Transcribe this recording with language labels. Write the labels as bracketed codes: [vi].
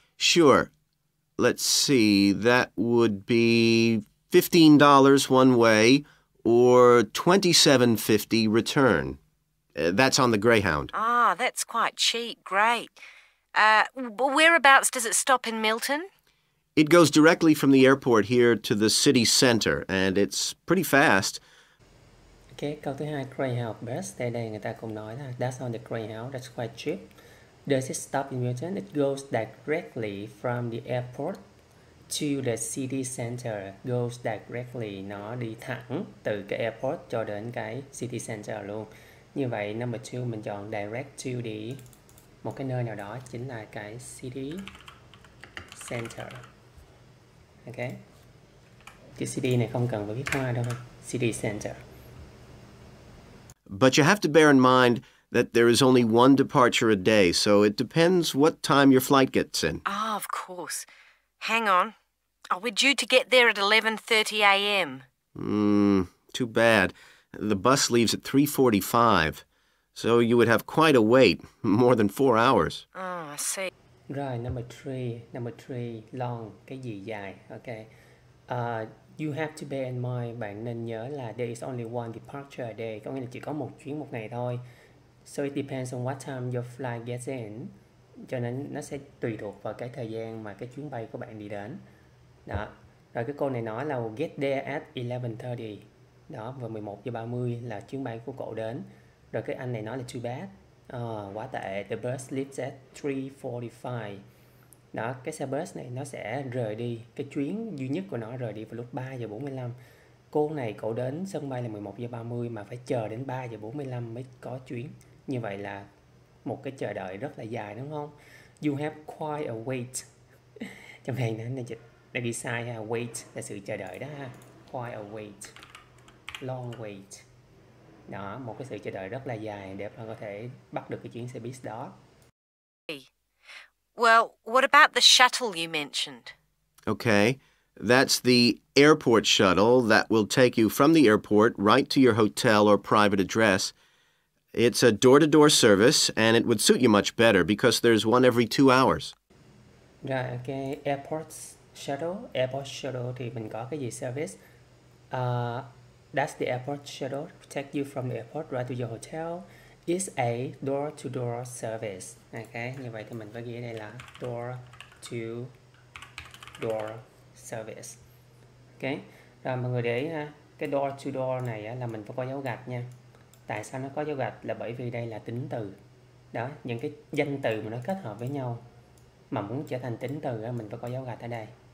[en] Sure. Let's see. That would be $15 one way or $27.50 return. That's on the Greyhound. Ah, that's quite cheap. Great. Whereabouts does it stop in Milton? It goes directly from the airport here to the city center, and it's pretty fast. [vi] Okay, câu thứ hai, Greyhound bus. Đây đây người ta cũng nói là [en] that's on the Greyhound, that's quite cheap. Does it stop in Milton? It goes directly from the airport to the city center. Goes directly, [vi] nó đi thẳng từ cái airport cho đến cái city center luôn. Như vậy, [en] number two, [vi] mình chọn [en] direct to the, [vi] một cái nơi nào đó, chính là cái city center. Okay. Chữ city này không cần phải viết hoa đâu. [en] City center. But you have to bear in mind that there is only one departure a day, so it depends what time your flight gets in. Oh, of course. Hang on. Oh, we're due to get there at 11:30 a.m. Too bad. The bus leaves at 3:45. So you would have quite a wait, more than 4 hours. Oh, I see. Right, number three, long, [vi] cái gì dài, [en] okay. You have to bear in mind, [vi] bạn nên nhớ là [en] there is only one departure a day, [vi] có nghĩa là chỉ có một chuyến một ngày thôi. [en] So it depends on what time your flight gets in. [vi] Cho nên nó sẽ tùy thuộc vào cái thời gian mà cái chuyến bay của bạn đi đến. Đó, rồi cái cô này nói là [en] we'll get there at 11:30. [vi] Đó, và 11:30 là chuyến bay của cậu đến. Rồi cái anh này nói là [en] too bad. [vi] Quá tệ, [en] the bus leaves at 3:45. [vi] Đó, cái xe bus này nó sẽ rời đi, cái chuyến duy nhất của nó rời đi vào lúc 3:45. Cô này cậu đến sân bay là 11:30 mà phải chờ đến 3:45 mới có chuyến. Như vậy là một cái chờ đợi rất là dài, đúng không? [en] You have quite a wait. [vi] Trong này nó đã ghi sai ha, wait là sự chờ đợi đó ha. [en] Quite a wait, long wait. [vi] Đó, một cái sự chờ đợi rất là dài để bạn có thể bắt được cái chuyến xe bus đó. [en] Well, what about the shuttle you mentioned? Okay, that's the airport shuttle that will take you from the airport right to your hotel or private address. It's a door-to-door service and it would suit you much better because there's one every 2 hours. Right, okay, [vi] airport shuttle thì mình có cái gì service? [en] That's the airport shuttle to take you from the airport right to your hotel. It's a door-to-door service. [vi] Okay, như vậy thì mình có ghi ở đây là door-to-door service. Okay, rồi mọi người để ý ha, cái door-to-door này là mình phải có dấu gạch nha. Tại sao nó có dấu gạch là bởi vì đây là tính từ. Đó, những cái danh từ mà nó kết hợp với nhau mà muốn trở thành tính từ mình phải có dấu gạch ở đây.